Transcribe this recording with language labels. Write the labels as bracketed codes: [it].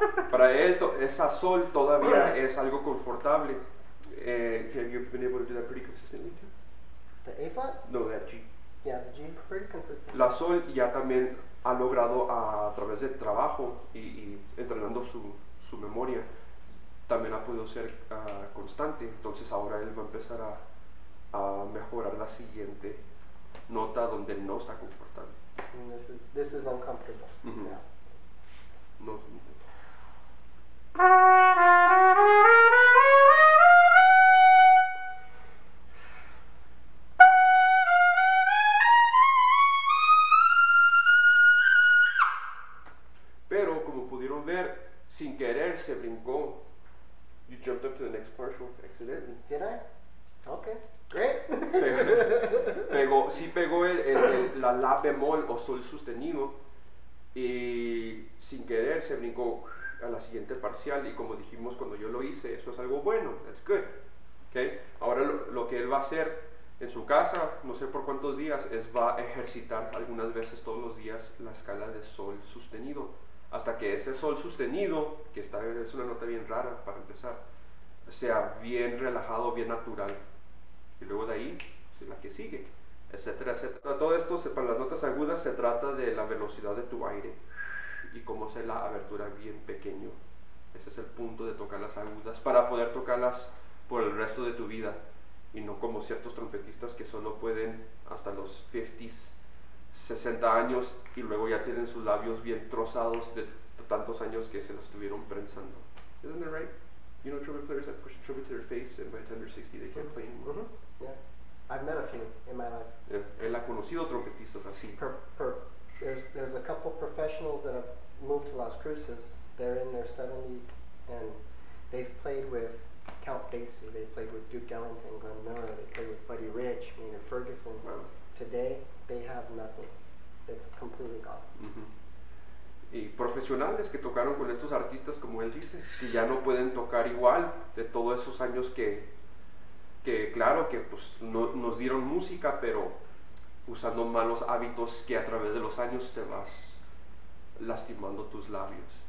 [es] Para él, esa sol todavía es algo confortable. [en] Have you been able to do that pretty consistently too? The A flat? No, that G. Yeah, the G pretty consistent. [es] La sol ya también ha logrado a través del trabajo y entrenando su memoria, también ha podido ser constante. Entonces ahora él va a empezar a mejorar la siguiente nota donde no está confortable. [en] And this is uncomfortable. Mm-hmm. Yeah. No. [es] Pero como pudieron ver, sin querer se brincó. [en] You jumped up to the next partial accidentally. Did I? Okay. Great. [es] Pegó, sí pegó la la bemol o sol sostenido. Y sin querer se brincó a la siguiente parcial, y como dijimos cuando yo lo hice, eso es algo bueno, [en] that's good. [es] Okay. Ahora lo que él va a hacer en su casa, no sé por cuántos días, es va a ejercitar algunas veces todos los días la escala de sol sostenido, hasta que ese sol sostenido, que esta vez es una nota bien rara para empezar, sea bien relajado, bien natural, y luego de ahí, es la que sigue. Etcétera, etcétera. Todo esto, para las notas agudas, se trata de la velocidad de tu aire y cómo hacer la abertura bien pequeño. Ese es el punto de tocar las agudas, para poder tocarlas por el resto de tu vida y no como ciertos trompetistas que solo pueden hasta los 50s, 60 años, y luego ya tienen sus labios bien trozados de tantos años que se los estuvieron prensando. ¿No es correcto? [en] You know trumpet players that push a trumpet to their face and by the time they're 60 they can't play anymore? Mm-hmm. Yeah. I've met a few in my life. [es] Yeah, él ha conocido trompetistas así. [en] There's a couple professionals that have moved to Las Cruces. They're in their 70s and they've played with Count Basie, they've played with Duke Ellington, Glenn Miller, they played with Buddy Rich, Nina Ferguson. Wow. Today, they have nothing. It's completely gone. Mm-hmm. [es] Y profesionales que tocaron con estos artistas, como él dice, que ya no pueden tocar igual de todos esos años que claro que pues no, nos dieron música, pero usando malos hábitos que a través de los años te vas lastimando tus labios.